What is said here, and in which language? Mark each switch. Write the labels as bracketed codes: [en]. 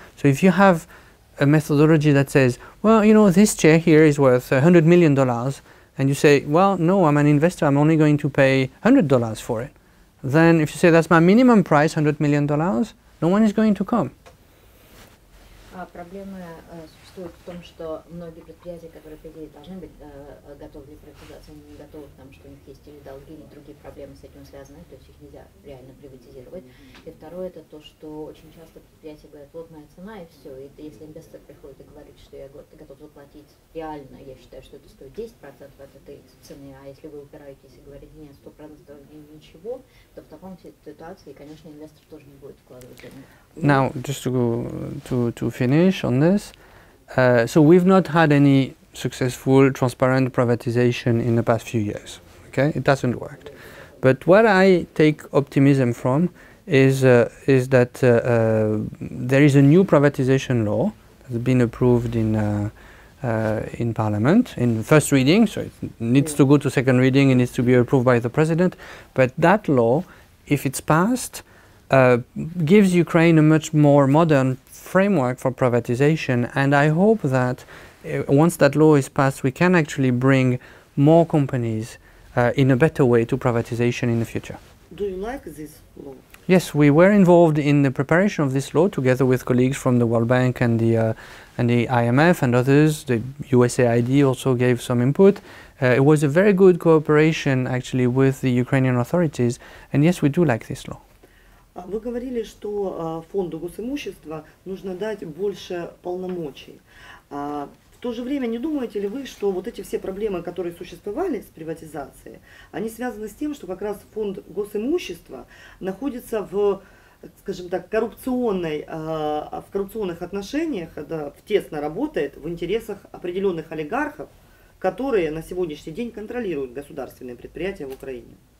[en] So if you have a methodology that says, well, you know, this chair here is worth $100 million, and you say, well, no, I'm an investor, I'm only going to pay $100 for it. Then if you say that's my minimum price, $100 million, no one is going to come. [ru] Проблема существует в том, что многие предприятия, которые, по идее, должны быть готовы для приватизации, они не готовы, потому что у них есть или долги, или другие проблемы с этим связаны, то есть их нельзя реально приватизировать. И второе, это то, что очень часто предприятия говорят, вот моя цена и все. И если инвестор приходит и говорит, что я готов заплатить реально, я считаю, что это стоит 10% от этой цены, а если вы упираетесь и говорите, нет, 100% ничего, то в таком ситуации, конечно, инвестор тоже не будет вкладывать деньги. [en] Now, just to go to finish on this, so we've not had any successful transparent privatization in the past few years. Okay, it hasn't worked. But what I take optimism from is that there is a new privatization law that's been approved in Parliament in the first reading. So it needs to go to second reading. It needs to be approved by the president. But that law, if it's passed, gives Ukraine a much more modern framework for privatization, and I hope that once that law is passed, we can actually bring more companies in a better way to privatization in the future. Do you like this law? Yes, we were involved in the preparation of this law together with colleagues from the World Bank and the IMF and others. The USAID also gave some input. It was a very good cooperation actually with the Ukrainian authorities, and yes, we do like this law. [ru] Вы говорили, что фонду госимущества нужно дать больше полномочий. В то же время, не думаете ли вы, что вот эти все проблемы, которые существовали с приватизацией, они связаны с тем, что как раз фонд госимущества находится в, скажем так, коррупционных отношениях, да, тесно работает в интересах определенных олигархов, которые на сегодняшний день контролируют государственные предприятия в Украине?